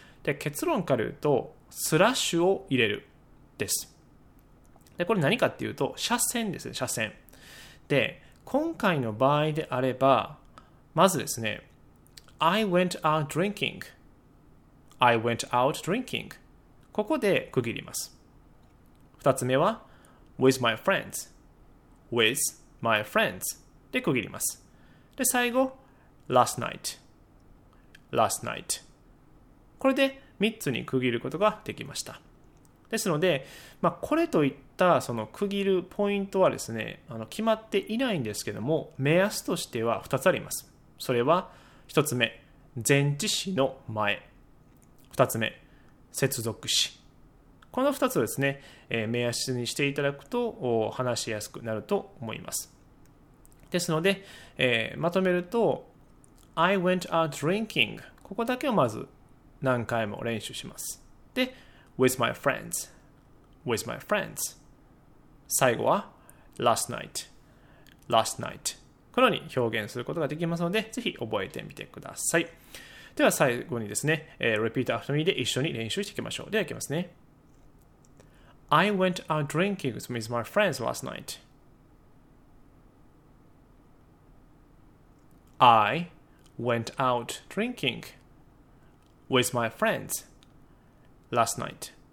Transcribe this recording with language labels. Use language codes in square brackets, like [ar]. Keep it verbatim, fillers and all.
[ja] で結論から言うとスラッシュを入れるです。でこれ何かっていうと斜線ですね、斜線で今回の場合であればまずですね [en] I went out drinking [ja] I went out drinking ここで区切ります。ふたつめは [en] with my friends with my friends [ja] で区切ります。で最後 [en] last night last night [ja] これでみっつに区切ることができました。ですので、まあ、これといったその区切るポイントはですね、あの決まっていないんですけども、目安としてはふたつあります。それはひとつめ前置詞の前、ふたつめ接続詞、このふたつをですね、えー、目安にしていただくと話しやすくなると思います。ですので、えー、まとめると [en] I went out drinking [ja] ここだけをまず何回も練習します。で [en] with my friends with my friends [ja] 最後は [en] last night last night [ja] このように表現することができますので、ぜひ覚えてみてください。では最後にですね、えー、 [en] repeat after me [ja] で一緒に練習していきましょう。ではいきますね。 [en] I went out drinking with my friends last night. I went out drinking with my friends last night.